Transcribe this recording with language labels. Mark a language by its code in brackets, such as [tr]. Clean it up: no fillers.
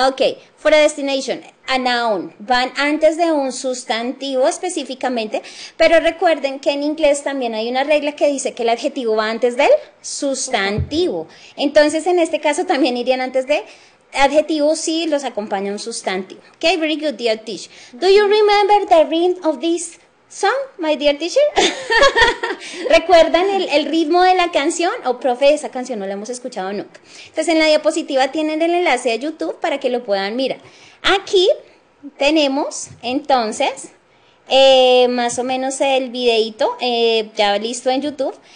[en] Okay, for a destination, a noun. [es] Van antes de un sustantivo específicamente. Pero recuerden que en inglés también hay una regla que dice que el adjetivo va antes del sustantivo. Entonces, en este caso también irían antes de adjetivos sí los acompaña un sustantivo. [en] Okay, very good, dear teacher. Do you remember the rhythm of this song, my dear teacher? [es] ¿Recuerdan el ritmo de la canción? O, profe, esa canción no la hemos escuchado nunca. Entonces, en la diapositiva tienen el enlace de YouTube para que lo puedan mirar. Aquí tenemos, entonces, más o menos el videito ya listo en YouTube.